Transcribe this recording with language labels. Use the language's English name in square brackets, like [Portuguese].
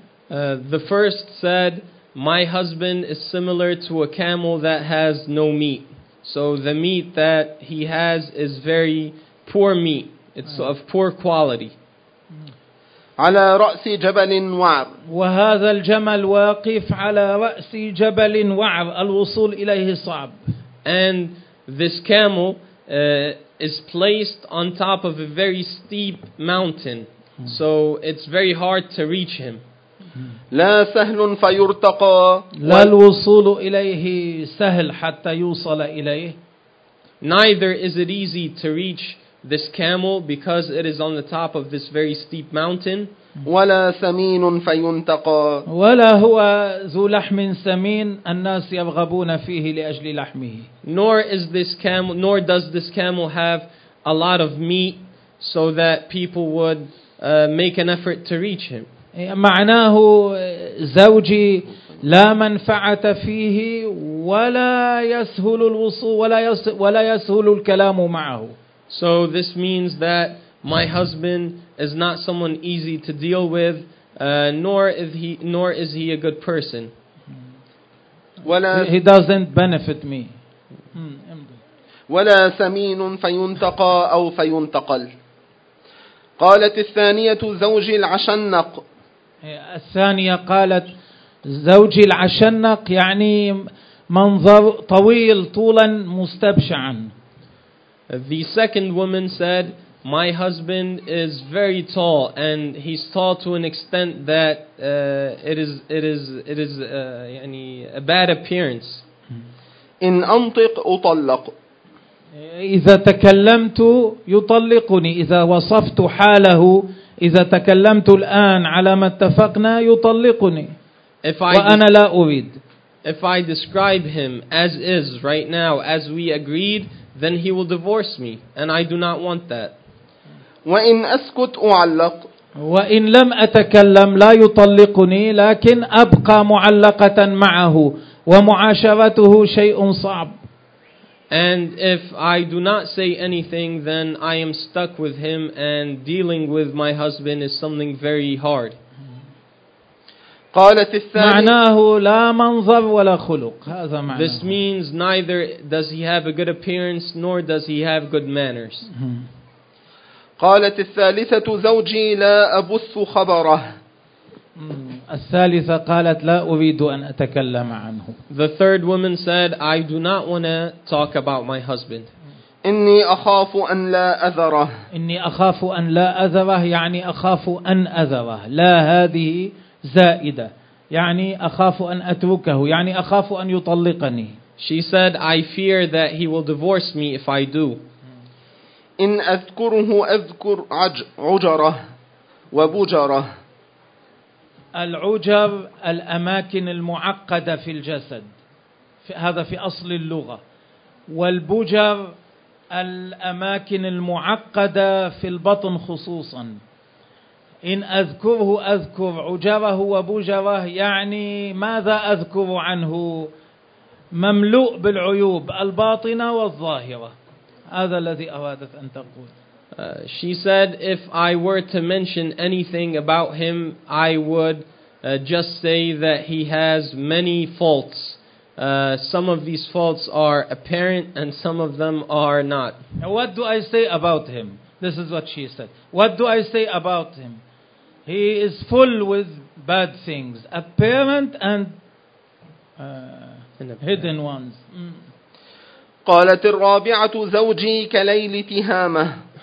[English] The first said, my husband is similar to a camel that has no meat. So the meat that he has is very poor meat. It's of poor quality. [Arabic] على رأس جبل وعر. وهذا الجمل واقف على رأس جبل وعر. الوصول إليه صعب. [English] And this camel is placed on top of a very steep mountain. So it's very hard to reach him. [Arabic] لا سهل فيرتقى. لا الوصول إليه سهل حتى يوصل إليه. [English] Neither is it easy to reach this camel because it is on the top of this very steep mountain. [Arabic] ولا ثمين فينتقى. ولا هو ذو لحم ثمين الناس يرغبون فيه لأجل لحمه. [English] Nor does this camel have a lot of meat so that people would make an effort to reach him. [Arabic] معناه زوجي لا منفعة فيه ولا يسهل الوصول ولا يسهل الكلام معه. [English] So this means that my husband is not someone easy to deal with, nor is he a good person. He doesn't benefit me. [Arabic] ولا ثمين فينتقى أو فينتقل. قالت الثانية زوجي العشنق. الثانية قالت زوجي العشنق يعني منظر طويل طولا مستبشعا. [English] The second woman said, my husband is very tall and he's tall to an extent that it is a bad appearance. [Arabic] إن أنطق أطلق. إذا تكلمت يطلقني إذا وصفت حاله إذا تكلمت الآن على ما اتفقنا يطلقني وأنا لا أريد. [English] If I describe him as is right now as we agreed, then he will divorce me and I do not want that. [Arabic] وإن أسكت أعلق. وإن لم أتكلم لا يطلقني لكن أبقى معلقة معه ومعاشرته شيء صعب. [English] And if I do not say anything, then I am stuck with him and dealing with my husband is something very hard. [Arabic] قالت الثانية معناه لا منظر ولا خلق. هذا معناه. [English] This means neither does he have a good appearance nor does he have good manners. [Arabic] قالت الثالثة زوجي لا أبث خبره. الثالثة قالت لا أريد أن أتكلم عنه. [English] The third woman said, I do not want to talk about my husband. [Arabic] إني أخاف أن لا أذره. إني أخاف أن لا أذره يعني أخاف أن أذره. لا هذه زائدة. يعني أخاف أن أتركه. يعني أخاف أن يطلقني. [English] She said, I fear that he will divorce me if I do. [Arabic] إن أذكره أذكر عجره وبجره. العجر الأماكن المعقدة في الجسد هذا في أصل اللغة والبجر الأماكن المعقدة في البطن خصوصا إن أذكره أذكر عجره وبجره يعني ماذا أذكر عنه مملوء بالعيوب الباطنة والظاهرة هذا الذي أرادت أن تقول [English] She said, if I were to mention anything about him, I would just say that he has many faults. Some of these faults are apparent and some of them are not. Now what do I say about him? This is what she said. What do I say about him? He is full with bad things, apparent and hidden ones. [Arabic] قالت الرابعة زوجي كليل تهامة.